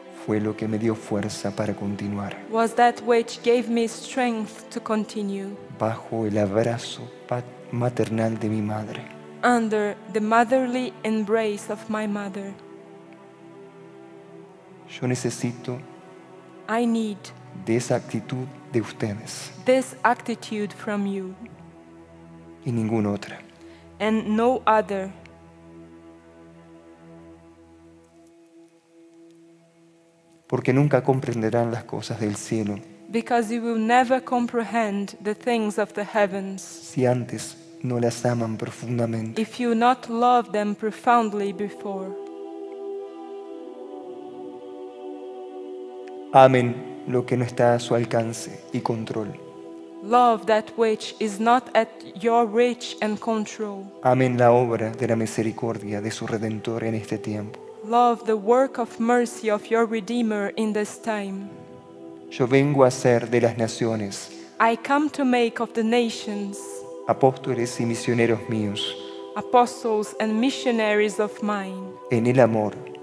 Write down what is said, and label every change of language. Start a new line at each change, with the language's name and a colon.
Spanish: Fue lo que me dio fuerza para continuar.
English: Was that which gave me strength to continue.
Spanish: Bajo el abrazo maternal de mi madre.
English: Under the motherly embrace of my mother.
Spanish: Yo necesito.
English: I need.
Spanish: De esa actitud de ustedes.
English: This attitude from you.
Spanish: Y ninguna otra.
English: And no other.
Spanish: Porque nunca comprenderán las cosas del cielo.
English: Because you will never comprehend the things of the heavens.
Spanish: Si antes no las aman profundamente.
English: If you not love them profoundly before.
Spanish: Amen lo que no está a su alcance y control.
English: Love that which is not at your reach and control.
Spanish: Amen la obra de la misericordia de su Redentor en este tiempo.
English: Love the work of mercy of your Redeemer in this time.
Spanish: Yo vengo a ser de las naciones.
English: I come to make of the nations.
Spanish: Apóstoles y misioneros míos.
English: Apostles and missionaries of mine.
Spanish: En el amor.